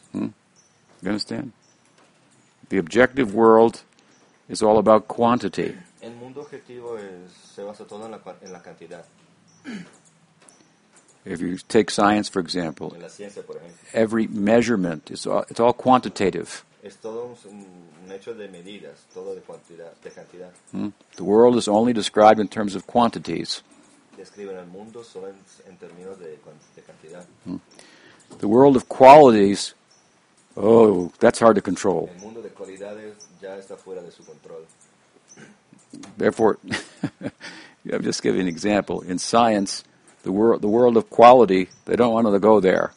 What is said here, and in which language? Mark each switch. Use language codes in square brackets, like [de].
[en] You understand? The objective world is all about quantity. [es] El mundo objetivo es, se basa todo en la cantidad. [en] If you take science, for example, [es] en la ciencia, por ejemplo, [en] every measurement is all, it's all quantitative. [es] Es todo un hecho de medidas, todo de cantidad, de cantidad. [en] The world is only described in terms of quantities. [es] Describen el mundo solo en términos de cantidad. [en] The world of qualities, oh, that's hard to control. [es] El mundo de cualidades ya está fuera de su control. [en] Therefore, I'm just giving an example. In science, the world of quality, they don't want to go there.